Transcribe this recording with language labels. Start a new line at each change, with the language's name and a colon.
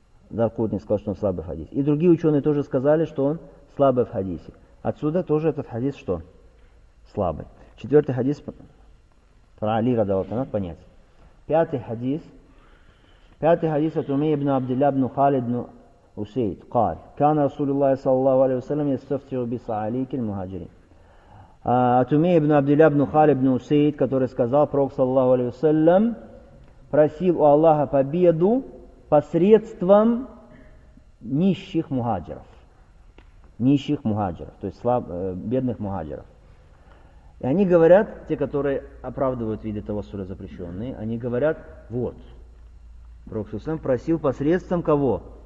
Russian: Даркутни сказал, что он слабый в хадисе. И другие ученые тоже сказали, что он слабый в хадисе. Отсюда тоже этот хадис что? Слабый. Четвертый хадис про Али радиаллаху анху, надо понять. Пятый хадис от Умейя ибн Абдилля ибн Халид ибн Усейд.
Arabic: قال: كان رسول الله صلى الله عليه وسلم يستفتي بصعاليك المهاجرين.
Russian: От Умейя ибн Абдилля ибн Халид ибн Усейд, который сказал, пророк саллаллаху алейхи ва саллям просил у Аллаха победу посредством нищих мухаджиров. Нищих мухаджиров, то есть бедных мухаджиров. И они говорят, те, которые оправдывают в виде того суры запрещенные, они говорят, вот, пророк саллаллаху алейхи ва саллям просил посредством кого?